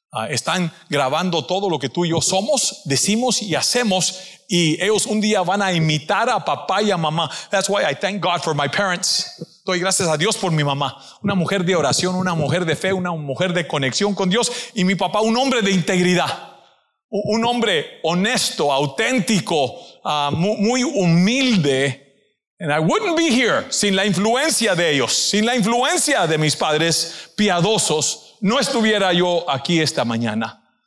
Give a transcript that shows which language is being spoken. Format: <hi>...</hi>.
<es>Están grabando todo lo que tú y yo somos, decimos y hacemos. Y ellos un día van a imitar a papá y a mamá.</es> <en>That's why I thank God for my parents.</en> <es>Doy gracias a Dios por mi mamá. Una mujer de oración, una mujer de fe, una mujer de conexión con Dios. Y mi papá, un hombre de integridad. Un hombre honesto, auténtico, muy humilde.</es> <en>And I wouldn't be here</en> <es>sin la influencia de ellos, sin la influencia de mis padres piadosos, no estuviera yo aquí esta mañana.</es>